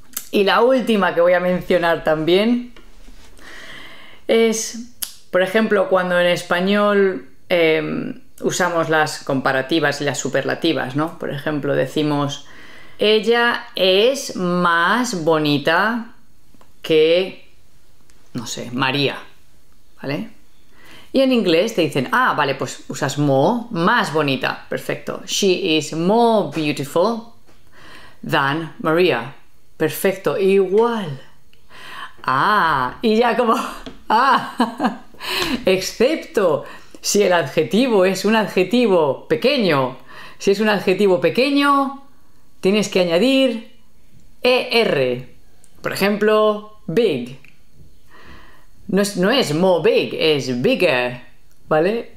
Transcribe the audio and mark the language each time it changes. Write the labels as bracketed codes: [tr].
[es] Y la última que voy a mencionar también es, por ejemplo, cuando en español usamos las comparativas y las superlativas, ¿no? Por ejemplo, decimos, ella es más bonita que, no sé, María, ¿vale? Y en inglés te dicen, ah, vale, pues usas more, más bonita, perfecto. [en] She is more beautiful than María. [es] Perfecto, igual. Ah, y ya como, ah, excepto si el adjetivo es un adjetivo pequeño. Si es un adjetivo pequeño, tienes que añadir er. Por ejemplo, big. No es more big, es bigger, ¿vale?